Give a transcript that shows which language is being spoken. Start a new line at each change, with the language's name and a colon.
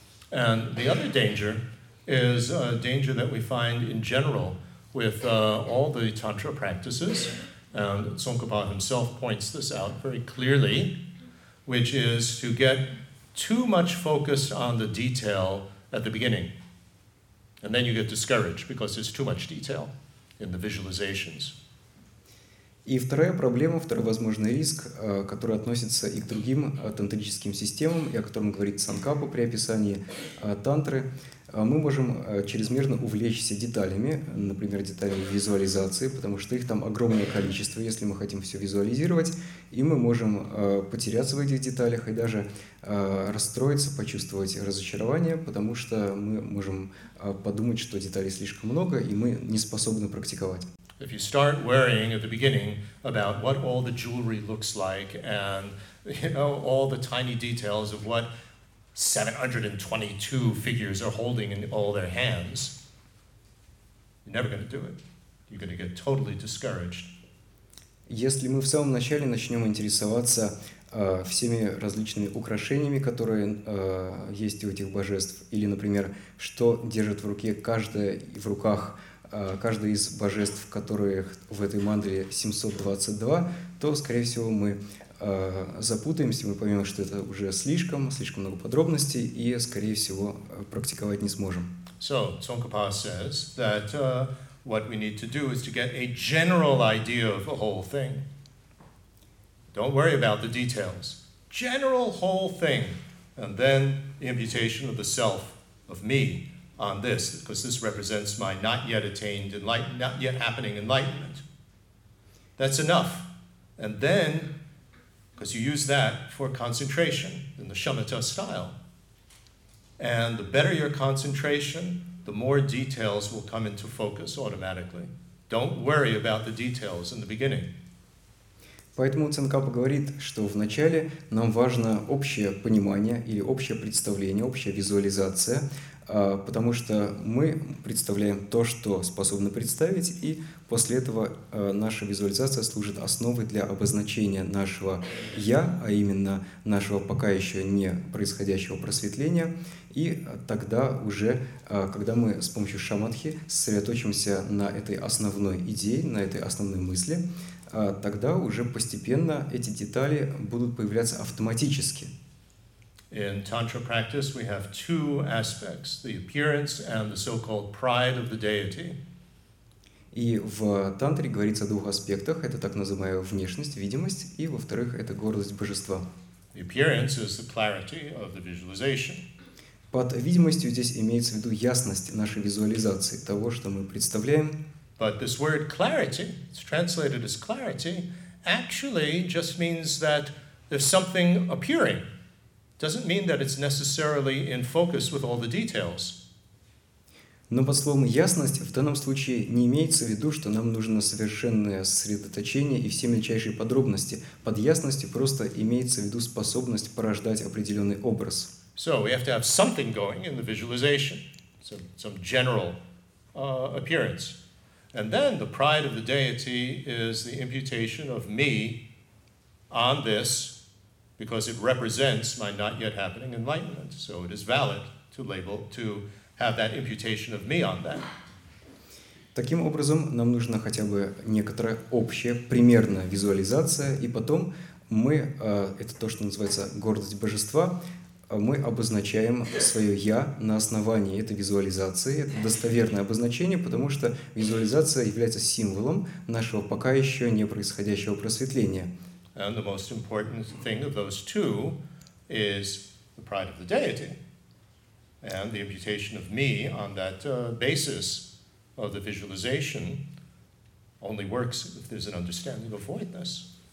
English: And the other danger is a danger that we find in general with all the tantra practices. And Tsongkhapa himself points this out very clearly. Which is to get too much focused on the detail at the beginning. And then you get discouraged because there's too much detail in the visualizations.
Russian: И вторая проблема, второй возможный риск, который относится и к другим тантрическим системам, и о котором говорит Цанкапа при описании тантры, мы можем чрезмерно увлечься деталями, например, деталями визуализации, потому что их там огромное количество, если мы хотим все визуализировать, и мы можем потеряться в этих деталях и даже расстроиться, почувствовать разочарование, потому что мы можем подумать, что деталей слишком много, и мы не способны практиковать.
English: If you start worrying at the beginning about what all the jewelry looks like and, you know, all the tiny details of what 722 figures are holding in all their hands, you're never going to do it. You're going to get totally discouraged.
Russian: Если мы в самом начале начнем интересоваться всеми различными украшениями, которые есть у этих божеств, или, например, что держит в руке каждая в руках каждое из божеств, которых в этой мандале 722, то, скорее всего, мы запутаемся, мы поймем, что это уже слишком много подробностей, и, скорее всего, практиковать не сможем.
English: So, Tsongkhapa says that what we need to do is to get a general idea of the whole thing. Don't worry about the details. General whole thing. And then the imputation of the self, of me, on this, because this represents my not yet attained enlightenment, not yet happening enlightenment. That's enough. And then, because you use that for concentration in the shamatha style. And the better your concentration, the more details will come into focus automatically. Don't worry about the details in the beginning.
Russian: Поэтому Цинкапа говорит, что вначале нам важно общее понимание или общее представление, общая визуализация, потому что мы представляем то, что способны представить, и после этого наша визуализация служит основой для обозначения нашего «я», а именно нашего пока еще не происходящего просветления. И тогда уже, когда мы с помощью шамадхи сосредоточимся на этой основной идее, на этой основной мысли, тогда уже постепенно эти детали будут появляться автоматически.
English: In tantra practice, we have two aspects, the appearance and the so-called pride of the deity.
Russian: И в тантре говорится о двух аспектах. Это так называемая внешность, видимость, и, во-вторых, это гордость божества.
English: The appearance is the clarity of the visualization.
Russian: Под видимостью здесь имеется в виду ясность нашей визуализации, того, что мы представляем.
English: But this word clarity, it's translated as clarity, actually just means that there's something appearing. Doesn't mean that it's necessarily in focus with all the details.
Russian: Но под словом ясность в данном случае не имеется в виду, что нам нужно совершенное сосредоточение и все мельчайшие подробности. Под ясностью просто имеется в виду способность порождать определенный образ.
English: So we have to have something going in the visualization, some general appearance. And then the pride of the deity is the imputation of me on this, because it represents my not yet happening enlightenment. So it is valid to label, to have that imputation of me on that.
Russian: Таким образом, нам нужна хотя бы некоторая общая, примерная визуализация, и потом мы, это то, что называется гордость божества, мы обозначаем свое «я» на основании этой визуализации. Это достоверное обозначение, потому что визуализация является символом нашего пока еще не происходящего просветления.
English: And the most important thing of those two is the pride of the deity and the imputation of me on that basis of the visualization only works if there's an understanding of voidness.